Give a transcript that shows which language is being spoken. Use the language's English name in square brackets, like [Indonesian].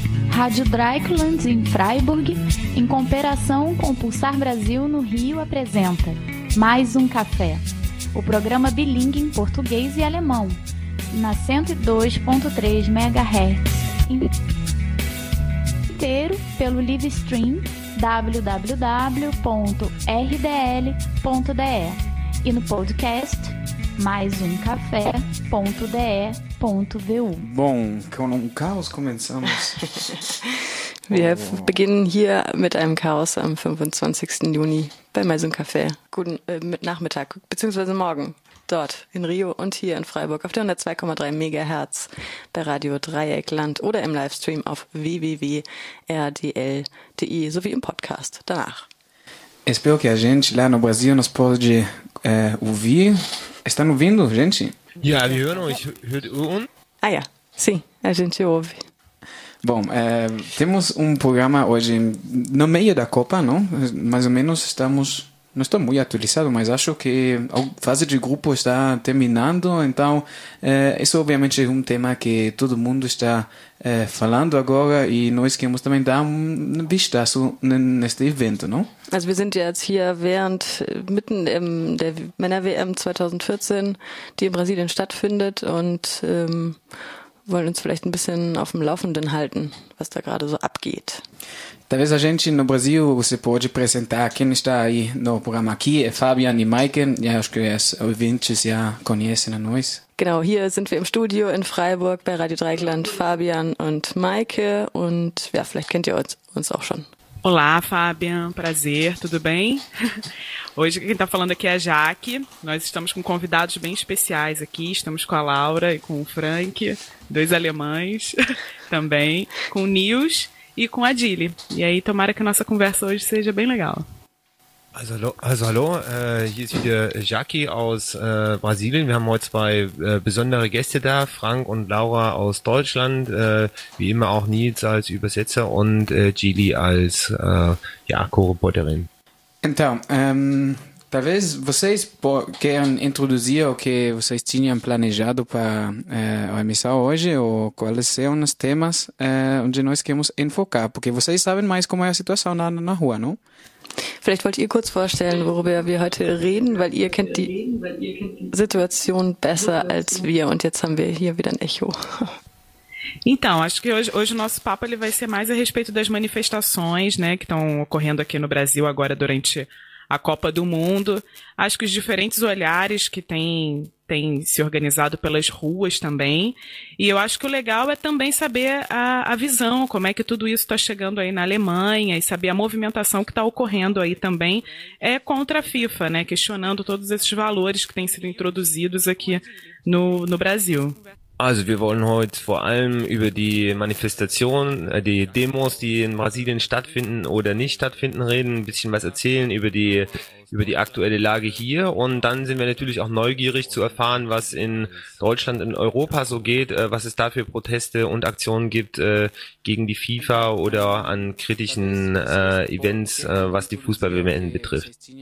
[Portuguese] Rádio Dreieckland em Freiburg, em cooperação com Pulsar Brasil no Rio, apresenta Mais um Café, o programa bilíngue em português e alemão, na 102.3 MHz, inteiro pelo live stream www.rdl.de e no podcast maisumcafé.de.vu. Bom, com um caos começamos. [German] Wir beginnen hier mit einem Chaos am 25. Juni bei Maisum Café. Guten Nachmittag, beziehungsweise morgen, dort in Rio und hier in Freiburg auf der 102,3 MHz bei Radio Dreieckland oder im Livestream auf www.rdl.de sowie im Podcast danach. [Portuguese] Espero que a gente lá no Brasil nos pode ouvir. Está nos ouvindo, gente? [German] Ja, wir hören euch. Hört ihr uns? [Portuguese] Ah ja, sim, a gente ouve. Bom, temos programa hoje no meio da Copa, não? Mais ou menos estamos... Não estou muito atualizado, mas acho que a fase de grupo está terminando. Então, isso obviamente é tema que todo mundo está falando agora e nós queremos também dar vistaço neste evento, não? [German] Also wir sind jetzt hier während, mitten in der Männer-WM 2014, die in Brasilien stattfindet und... wollen uns vielleicht ein bisschen auf dem Laufenden halten, was da gerade so abgeht. [Portuguese] Talvez a gente no Brasil, você pode apresentar quem está aí no programa aqui, é Fabian e Maiken, ja, acho que os ouvintes já conhecem a nós. [German] Genau, hier sind wir im Studio in Freiburg bei Radio Dreieckland, Fabian und Maike und ja, vielleicht kennt ihr uns auch schon. [Portuguese] Olá, Fabian, prazer, tudo bem? Hoje quem está falando aqui é a Jaque, nós estamos com convidados bem especiais aqui, estamos com a Laura e com o Frank, dois alemães também, com o Nils e com a Dili. E aí tomara que a nossa conversa hoje seja bem legal. [German] Also hallo, hier ist wieder Jaque aus Brasilien. Wir haben heute zwei besondere Gäste da, Frank und Laura aus Deutschland, wie immer auch Nils als Übersetzer und Gili als Co-Reporterin. [Portuguese] Então, talvez vocês queiram introduzir o que vocês tinham planejado para a emissão hoje ou quais são os temas onde nós queremos enfocar, porque vocês sabem mais como é a situação lá na rua, não? [German] Vielleicht wollt ihr kurz vorstellen, worüber wir heute reden, weil ihr kennt die Situation besser als wir und jetzt haben wir hier wieder ein Echo. [Portuguese] Então, acho que hoje o nosso papo ele vai ser mais a respeito das manifestações, né, que estão ocorrendo aqui no Brasil agora durante a Copa do Mundo. Acho que os diferentes olhares que têm se organizado pelas ruas também. E eu acho que o legal é também saber a visão, como é que tudo isso está chegando aí na Alemanha e saber a movimentação que está ocorrendo aí também contra a FIFA, né, questionando todos esses valores que têm sido introduzidos aqui no Brasil. [German] Also wir wollen heute vor allem über die Manifestation, die Demos, die in Brasilien stattfinden oder nicht stattfinden, reden, ein bisschen was erzählen über die aktuelle Lage hier und dann sind wir natürlich auch neugierig zu erfahren, was in Deutschland, in Europa so geht, was es da für Proteste und Aktionen gibt gegen die FIFA oder an kritischen Events, was die Fußball-WM betrifft.